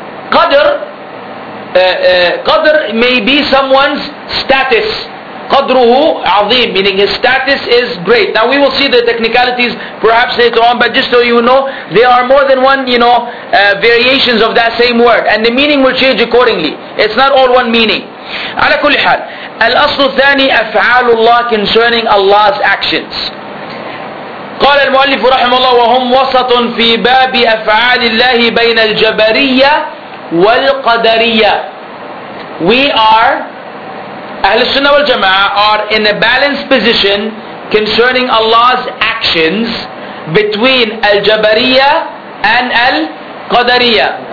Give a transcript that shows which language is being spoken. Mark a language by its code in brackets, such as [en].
[en] Qadr, Qadr may be someone's status. Qadruhu azim, meaning his status is great. Now we will see the technicalities perhaps later on, but just so you know, there are more than one, you know, variations of that same word, and the meaning will change accordingly. It's not all one meaning. [ar] على كل حال, الأصل الثاني أفعال الله [en] concerning Allah's actions. [ar] قال المؤلف رحمه الله وهم وسط في باب أفعال الله بين الجبرية والقدرية. [en] We are, أهل السنة والجماعة are in a balanced position concerning Allah's actions between الجبرية and القدرية.